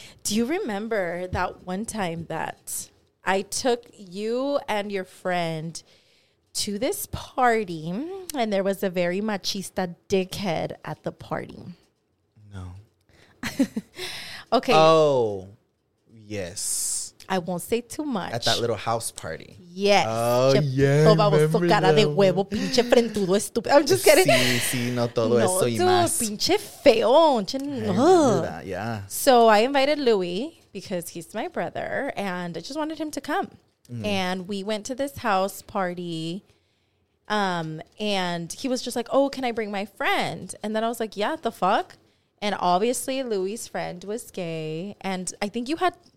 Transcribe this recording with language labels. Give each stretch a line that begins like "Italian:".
English: Do you remember that one time that I took you and your friend to this party and there was a very machista dickhead at the party? No. Okay. Oh, yes. I won't say too much. At that little house party. Yes. Oh, yeah.
Spanish: Toma su cara de huevo, pinche frentudo estúpido.
English: I'm just kidding.
Spanish: Sí, sí, no todo no, eso y más. No, pinche feo.
English: Yeah. So I invited Louis because he's my brother, and I just wanted him to come. Mm. And we went to this house party, and he was just like, oh, can I bring my friend? And then I was like, yeah, the fuck? And obviously, Louis's friend was gay, and I think you had...